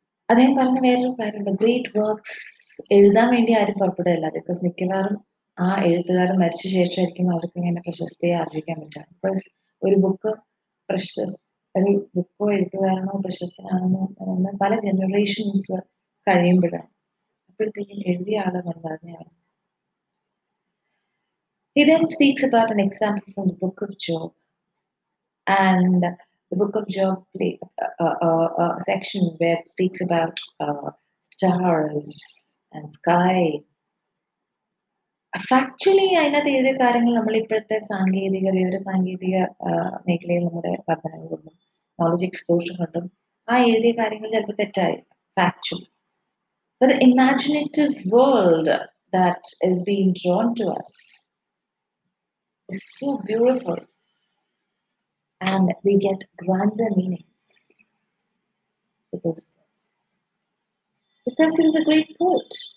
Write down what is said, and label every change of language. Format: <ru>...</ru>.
<ml>അദ്ദേഹം പറഞ്ഞ വേറൊരു കാര്യമുണ്ട്, ഗ്രേറ്റ് വർക്ക്സ് എഴുതാൻ വേണ്ടി ആരും പുറപ്പെടുകയല്ല, ബിക്കോസ് മിക്കവാറും ആ എഴുത്തുകാരൻ മരിച്ച ശേഷമായിരിക്കും അവർക്ക് ഇങ്ങനെ പ്രശസ്തിയെ ആർജിക്കാൻ പറ്റുക. ബിക്കോസ് ഒരു ബുക്ക് ഒരു ബുക്കോ എഴുത്തുകാരനോ പ്രശസ്തനാണെന്നോ പല ജനറേഷൻസ് കഴിയുമ്പോഴാണ്, അപ്പോഴത്തേക്കും എഴുതിയ ആള് വന്നതാണ്.</ml> <en>He then speaks about an example from the Book of Job, and the Book of Job play a section where it speaks about stars and sky.</en> <ml>Factually, അതിനകത്ത് എഴുതിയ കാര്യങ്ങൾ നമ്മൾ ഇപ്പോഴത്തെ സാങ്കേതിക വിവര സാങ്കേതിക മേഖലയിൽ നമ്മുടെ വർദ്ധനവ് കൊണ്ടും നോളജ് എക്സ്പോഷർ കൊണ്ടും ആ എഴുതിയ കാര്യങ്ങൾ ചിലപ്പോൾ തെറ്റായി factually.</ml> <en>But the imaginative world that is being drawn to us is so beautiful, and we get grander meanings with those poems because he is a great poet.</en>